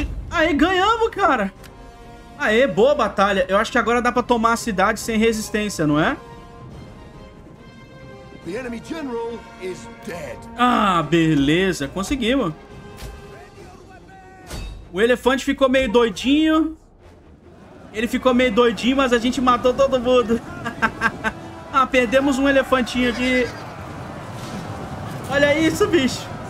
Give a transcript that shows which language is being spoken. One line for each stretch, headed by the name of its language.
Portuguese: Aê, ganhamos, cara. Aê, boa batalha. Eu acho que agora dá pra tomar a cidade sem resistência, não é?
English: The enemy general is dead.
Portuguese: Ah, beleza. Conseguimos. O elefante ficou meio doidinho. Ele ficou meio doidinho, mas a gente matou todo mundo. Ah, perdemos um elefantinho aqui. Olha isso, bicho.